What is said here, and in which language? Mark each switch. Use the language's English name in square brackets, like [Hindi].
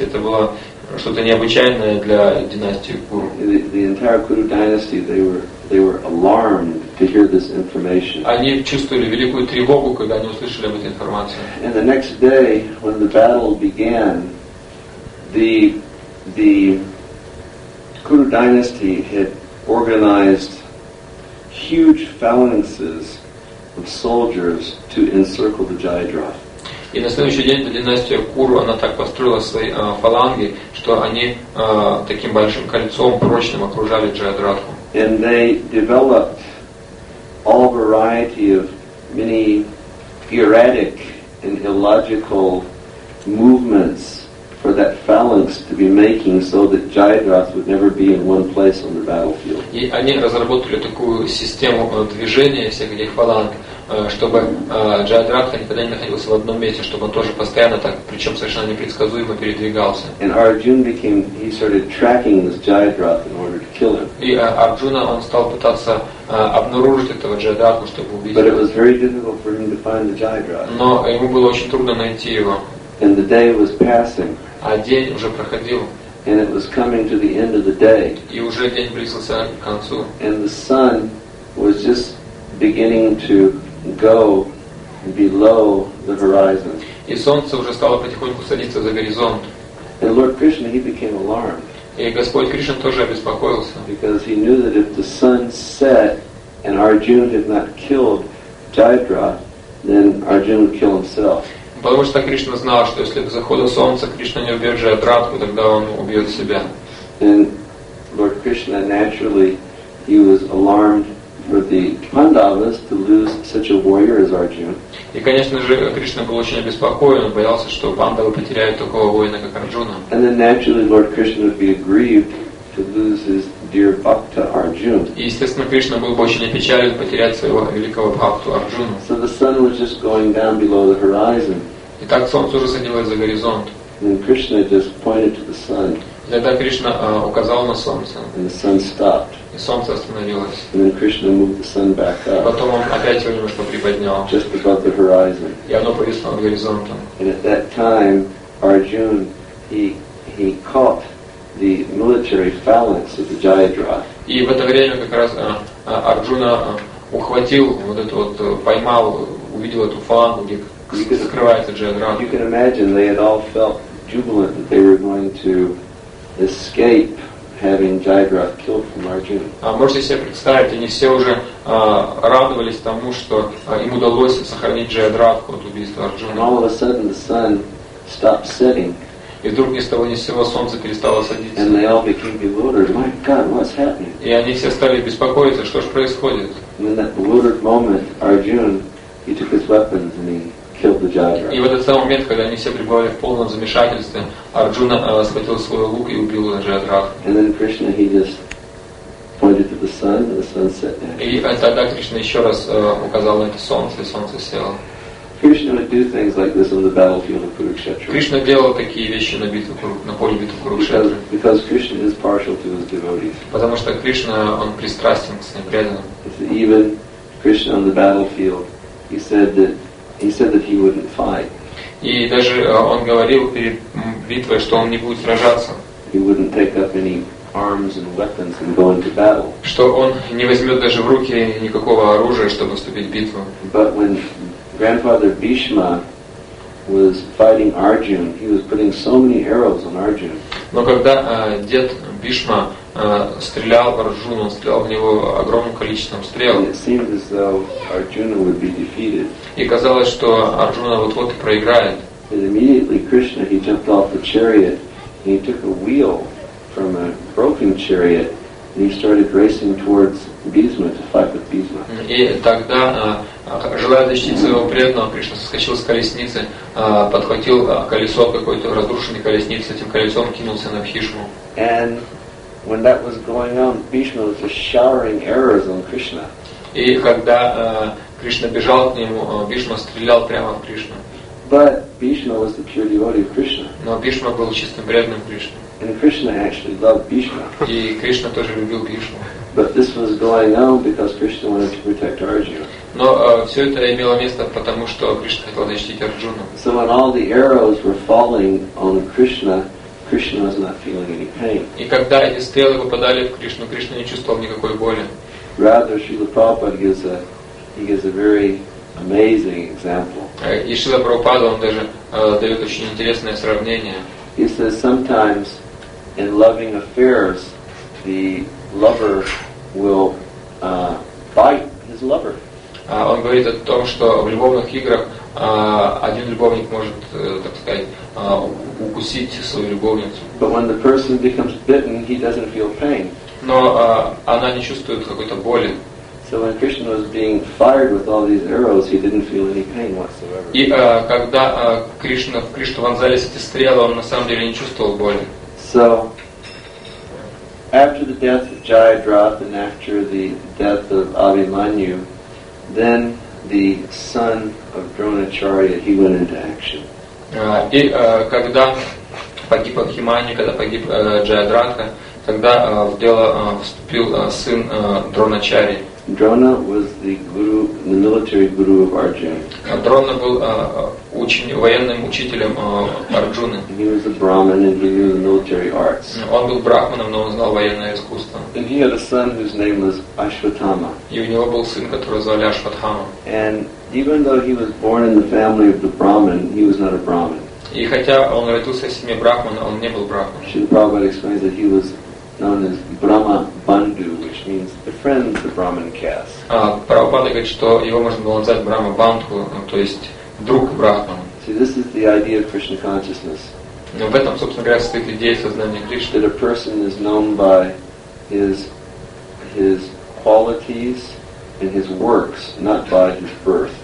[Russian] Это было что-то необычайное для династии Куру. [English] The entire Kuru dynasty, they were alarmed to hear this information. [Russian] Они чувствовали великую тревогу, когда они услышали об этой информации. [English] And the next day, when the battle began, the Kuru dynasty had organized huge phalanxes of soldiers to encircle the Jayadrath. [Russian] И на следующий день династия Куру, она так построила свои фаланги, что они таким большим кольцом прочным окружали Джаядратху. [English] And they developed all variety of many erratic and illogical movements for that phalanx to be making so that Jayadrath would never be in one place on the battlefield. [Russian] И они разработали такую систему движения всех этих фаланг, чтобы Джаядратха никогда не находился в одном месте, чтобы он тоже постоянно так, причем совершенно непредсказуемо передвигался. [English] And Arjuna became, he started tracking this Jayadratha in order to kill him. [Russian] И Арджуна, он стал пытаться обнаружить этого Джаядратху, чтобы убить его. [English] But it was very difficult for him to find the Jayadratha. [Russian] Но ему было очень трудно найти его. [English] And the day was passing. [Russian] А день уже проходил. [English] And it was coming to the end of the day. [Russian] И уже день близился к концу. [English] And the sun was just beginning to go below the horizon. [Russian] И солнце уже стало потихоньку садиться за горизонт. [English] And Lord Krishna, he became alarmed. [Russian] И Господь Кришна тоже обеспокоился. [English] Because he knew that if the sun set and Arjuna had not killed Jayadrath, then Arjuna would kill himself. [Russian] Потому что Кришна знал, что если до захода солнца Кришна не убьет Джаядратху, тогда он убьет себя. [English] And Lord Krishna, naturally, he was alarmed for the Pandavas to lose such a warrior as Arjuna. [Russian] И, конечно же, Кришна был очень обеспокоен, боялся, что Пандавы потеряют такого воина, как Арджуна. [English] And then naturally, Lord Krishna would be aggrieved to lose his dear Bhakta Arjun. [Russian] И естественно Кришна был бы очень опечален потерять своего великого Бхакту Арджуну. [English] So the sun was just going down below the horizon. [Russian] И так солнце уже садилось за горизонт. [English] And Krishna just pointed to the sun. [Russian] И тогда Кришна указал на солнце. [English] And the sun stopped. [Russian] И солнце остановилось. [English] And then Krishna moved the sun back up. [Russian] И потом он опять его немножко приподнял. [English] Just above the horizon. [Russian] И оно повисло над горизонтом. [English] And at that time, Arjun, he caught the military phalanx of the Jayadrath. [Russian] И в это время как раз Арджуна ухватил вот это вот, поймал, увидел эту фалангу, где скрывается Джаядрат. [English] You can imagine they had all felt jubilant that they were going to escape having Jayadrath killed from Arjuna. [Russian] А можете себе представить, они все уже радовались тому, что им удалось сохранить Джаядратху от убийства Арджуны. [English] All of a sudden the sun stopped setting. [Russian] И вдруг ни с того ни с сего солнце перестало садиться. [English] And they all became bewildered. My God, what's happening? [Russian] И они все стали беспокоиться, что же происходит. [English] In that bewildered moment, Arjuna, he took his weapons and he killed the Jayadrath. [Russian] И в этот самый момент, когда они все пребывали в полном замешательстве, Арджуна схватил свой лук и убил Джаядрат. [English] And then Krishna, he just pointed to the sun and the sun set down. [Russian] И тогда Кришна еще раз указал на это солнце, и солнце село. [English] Krishna would do things like this on the battlefield of Kurukshetra. [Russian] Krishna делал такие вещи на битве на поле битвы Курукшетры. [English] Because Krishna is partial to his devotees. [Russian] Потому что Кришна он пристрастен к своим преданным. [English] Even Krishna on the battlefield, he said that he wouldn't fight. [Russian] И даже он говорил перед битвой, что он не будет сражаться. [English] He wouldn't take up any arms and weapons and go into battle. [Russian] Что он не возьмет даже в руки никакого оружия, чтобы вступить в битву. [English] But when Grandfather Bhishma was fighting Arjuna. He was putting so many arrows on Arjuna. [Russian] Но когда дед Бишма стрелял в Арджуну, он стрелял в него огромным количеством стрел. [English] It seemed as though Arjuna would be defeated. [Russian] И казалось, что Арджуна вот-вот и проиграет. [English] And immediately Krishna, he jumped off the chariot and he took a wheel from a broken chariot and he started racing towards Bhishma to fight with Bhishma. [Russian] И тогда желая защитить своего преданного, Кришна соскочил с колесницы, подхватил колесо от какой-то разрушенной колесницы, этим колесом кинулся на Бхишму. [English] And when that was going on, Bhishma was just showering arrows on Krishna. [Russian] И когда Кришна бежал к нему, Бхишма стрелял прямо в Кришну. [English] But Bhishma was the pure devotee of Krishna. [Russian] Но Бхишма был чистым преданным Кришны. [English] And Krishna actually loved Bhishma. [Russian] И Кришна тоже любил Бхишму. [English] But this was going on because Krishna wanted to protect Arjuna. [Russian] Но все это имело место, потому что Кришна хотел защитить Арджуну. [English] So when all the arrows were falling on Krishna, Krishna was not feeling any pain. [Russian] И когда эти стрелы попадали в Кришну, Кришна не чувствовал никакой боли. [English] Rather, Srila Prabhupada gives a very amazing example. [Russian] И Шрила Прабхупада он даже дает очень интересное сравнение. [English] He says sometimes in loving affairs, the lover will bite his lover. [Russian] Он говорит о том, что в любовных играх один любовник может, так сказать, укусить свою любовницу. [English] But when the person becomes bitten, he doesn't feel pain. [Russian] Но она не чувствует какой-то боли. [English] So when Krishna was being fired with all these arrows, he didn't feel any pain whatsoever. [Russian] И когда в Кришну вонзались эти стрелы, он на самом деле не чувствовал боли. [English] So after the death of Jayadrath and after the death of Abhimanyu, then the son of Dronacharya, he went into action. [Russian] И когда погиб Абхиманью, когда погиб Джаядратха, тогда в дело вступил сын Дроначарьи. [English] Drona was the guru, the military guru of Arjuna. [Russian] Дрона был военным учителем Арджуны. [English] He was a Brahmin and he knew the military arts. [Russian] Он был брахманом, но он знал военное искусство. [English] And he had a son whose name was Ashwatthama. [Russian] И у него был сын, которого звали Ашватхама. [English] And even though he was born in the family of the Brahmin, he was not a Brahmin. [Russian] И хотя он родился в семье брахмана, он не был брахман. [English] Srila Prabhupada explains that he was known as Brahma Bandhu, which means the friend of the Brahmin caste. [Russian] Prabhupada говорит, что его можно было назвать Брахма Бандху, то есть друг брахман. [English] See, this is the idea of Krishna consciousness. [Russian] Но в этом, собственно говоря, состоит идея сознания Кришны. [English] That a person is known by his qualities and his works, not by his birth.